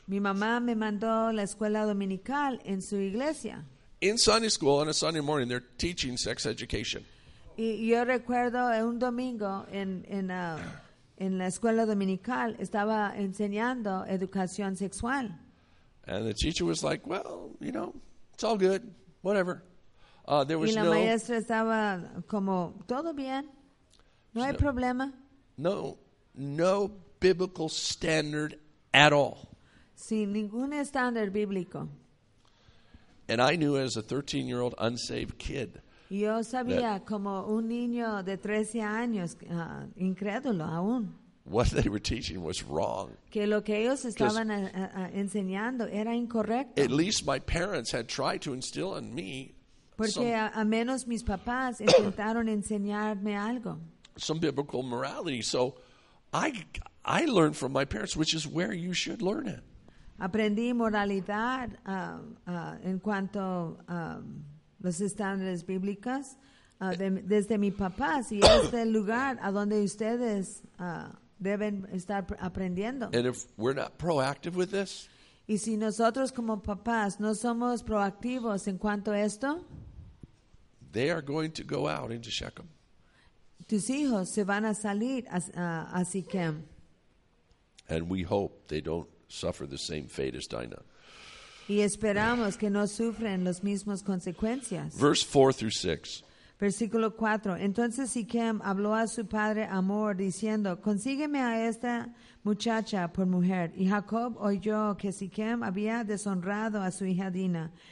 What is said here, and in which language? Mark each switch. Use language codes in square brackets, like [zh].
[es] Mi mamá me mandó la escuela dominical en su iglesia. [en] In Sunday school on a Sunday morning they're teaching sex education. [es] Y yo recuerdo un domingo en la escuela dominical estaba enseñando educación sexual. [en] And the teacher was like, "Well, you know, it's all good. Whatever." There was [es] y la no maestra estaba como todo bien. No hay problema. [en] No biblical standard at all. [es] Sin ningún estándar bíblico. [en] And I knew as a 13-year-old unsaved kid. [es] Yo sabía como un niño de 13 años, incrédulo aún. [en] What they were teaching was wrong. [es] Que lo que ellos estaban enseñando era incorrecto. [en] At least my parents had tried to instill in me. [es] Porque a menos mis papás intentaron enseñarme algo. [en] Some biblical morality. So I learned from my parents, which is where you should learn it. [es] Aprendí moralidad en cuanto los estándares bíblicos desde mi papá, y es el lugar a donde ustedes deben estar aprendiendo. [en] And if we're not proactive with this, [es] y si nosotros como papás no somos proactivos en cuanto a esto, [en] they are going to go out into Shechem. [es] Tus hijos se van a salir a Siquem. [en] And we hope they don't suffer the same fate as Dinah. [es] Y esperamos que no sufren las mismas consecuencias. [en] Verse 4 through 6. [es] Versículo 4. Entonces Siquem habló a su padre Hamor diciendo, consígueme a esta muchacha por mujer. Y Jacob oyó que Siquem había deshonrado a su hija Dinah.